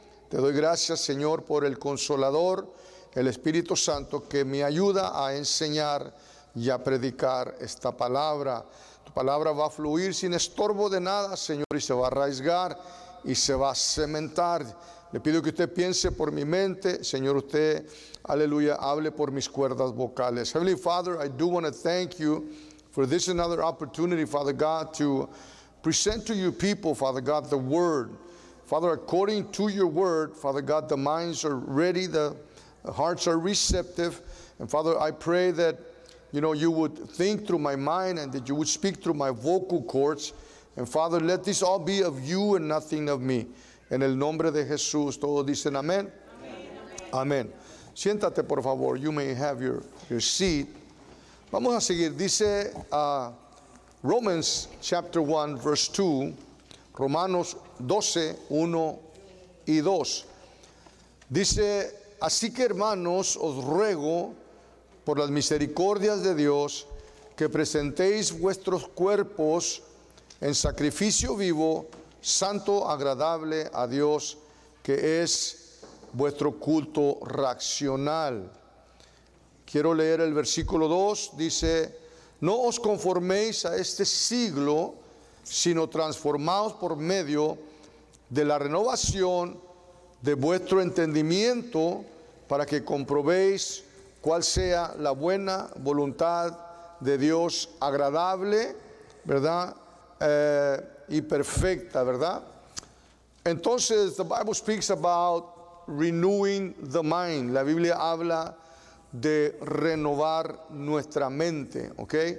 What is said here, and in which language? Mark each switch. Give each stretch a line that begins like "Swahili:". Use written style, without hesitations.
Spanish: Te doy gracias, Señor, por el Consolador, el Espíritu Santo, que me ayuda a enseñar y a predicar esta palabra. Tu palabra va a fluir sin estorbo de nada, Señor, y se va a arraigar y se va a cementar. Le pido que usted piense por mi mente, Señor, usted, aleluya, hable por mis cuerdas vocales.
English: Heavenly Father, I do want to thank you for this another opportunity, Father God, to present to your people, Father God, the word. Father, according to your word, Father God, the minds are ready, the hearts are receptive. And Father, I pray that, you know, you would think through my mind and that you would speak through my vocal cords. And Father, let this all be of you and nothing of me.
Spanish: En el nombre de Jesús, todos dicen amén. Amén. Amén. Amén. Siéntate, por favor.
English: You may have your seat.
Spanish: Vamos a seguir.
English: Dice Romans chapter 1, verse 2.
Spanish: Romanos 12, 1 y 2. Dice, así que hermanos, os ruego por las misericordias de Dios, que presentéis vuestros cuerpos en sacrificio vivo, santo, agradable a Dios, que es vuestro culto racional. Quiero leer el versículo 2, dice, no os conforméis a este siglo, sino transformaos por medio de la renovación de vuestro entendimiento, para que comprobéis cuál sea la buena voluntad de Dios, agradable, ¿verdad? Y perfecta, ¿verdad?
English: Entonces, the Bible speaks about renewing the mind.
Spanish: La Biblia habla de renovar nuestra mente, ¿ok?